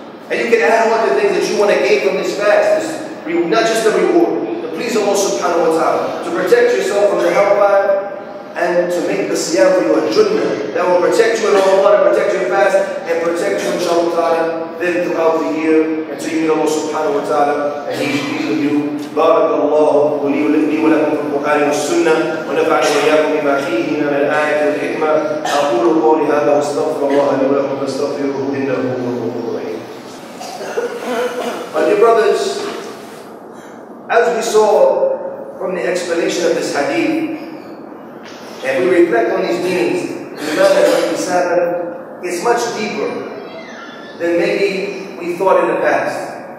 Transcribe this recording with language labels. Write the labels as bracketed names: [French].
[English] And you can add on the things that you want to gain from this fast, not just the reward, but please Allah subhanahu wa ta'ala, to protect yourself from the hellfire, and to make the siyam for your junnah that will protect you in Ramadan, and protect your fast, and protect you inshallah ta'ala, then throughout the year, until you meet Allah subhanahu wa ta'ala, and he's pleased with you. [Arabic] بارك الله لي ولكم في القرآن والسنة ونفعني وإياكم بما فيه من الآية والحكمة أقول قولي هذا واستغفر الله لي ولكم فاستغفروه إنه هو الغفور الرحيم. [English] My dear brothers, as we saw from the explanation of this hadith, and we reflect on these meanings, the matter of the Sabbath is much deeper than maybe we thought in the past.